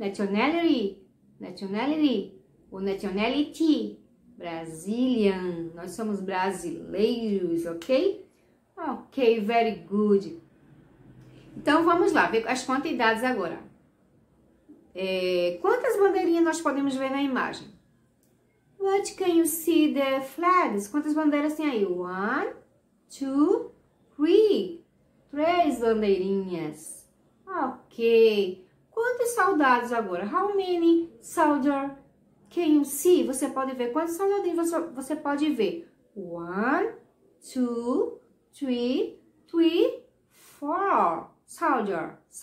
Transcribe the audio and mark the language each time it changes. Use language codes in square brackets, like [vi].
[pt] Nationality. O nationality, Brazilian, nós somos brasileiros, ok? [en] Ok, very good. [pt] Então, vamos lá, ver as quantidades agora. Quantas bandeirinhas nós podemos ver na imagem? [en] What can you see the flags? [pt] Quantas bandeiras tem aí? [en] One, two, three. [pt] Três bandeirinhas. Ok. Quantos soldados agora? [en] How many soldiers? Can you see? [pt] Você pode ver. Quantos soldadinhos você pode ver? [en] One, two, three, four. Soldier.